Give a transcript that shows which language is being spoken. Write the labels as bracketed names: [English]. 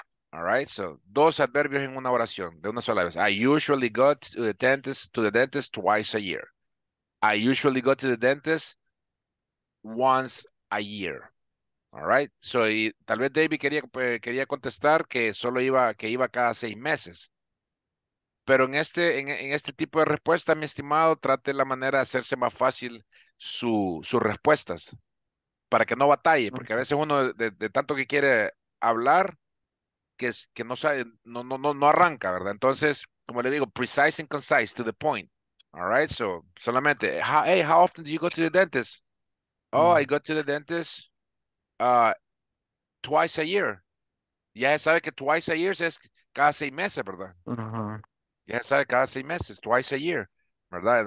[English] All right, so [Spanish] dos adverbios en una oración, de una sola vez. [English] I usually go to the dentist twice a year. I usually go to the dentist once a year. [Spanish] All right, so y, tal vez David quería contestar que solo iba, que iba cada seis meses. Pero en este, en este tipo de respuesta, mi estimado, trate la manera de hacerse más fácil sus respuestas para que no batalle, porque a veces uno de tanto que quiere hablar, que no sabe, no arranca, ¿verdad? Entonces, como le digo, [English] precise and concise, to the point. All right, so [Spanish] solamente, [English] hey, how often do you go to the dentist? Oh, I go to the dentist twice a year. [Spanish] Ya sabe que [English] twice a year [Spanish] es cada seis meses, ¿verdad? Ya sabe, cada seis meses, [English] twice a year, [Spanish] ¿verdad?